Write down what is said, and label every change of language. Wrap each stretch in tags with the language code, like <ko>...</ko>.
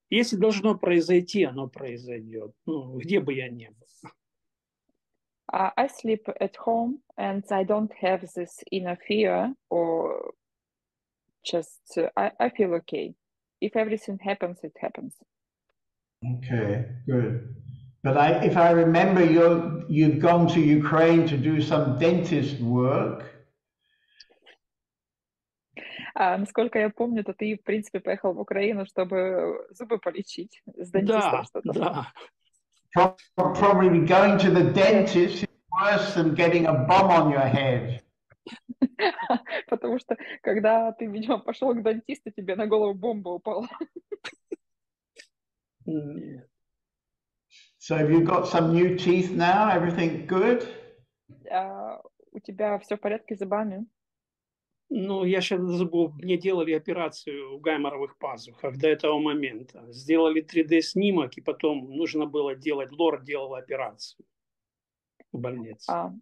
<ru>Если должно произойти, оно произойдет. Ну, где бы я ни был.</ru> <en>I sleep at home and I don't have this inner fear or... Just I feel okay. If everything happens, it happens. Okay, good. But if I remember, you've gone to Ukraine to do some dentist work.</en> <ru>Насколько я помню, то ты в принципе поехал в Украину, чтобы зубы полечить с дентистом. Да, да.</ru> <en>Probably going to the dentist is worse than getting a bomb on your head.</en> <ru>Потому что, когда ты, видимо, пошел к дантисту, тебе на голову бомба упала.</ru> <en>So have you got some new teeth now? Everything good?</en> <ru>У тебя все в порядке с зубами? Ну, я сейчас забыл. Мне делали операцию в гайморовых пазухах до этого момента. Сделали 3D-снимок, и потом нужно было делать, лор делал операцию в больнице.</ru>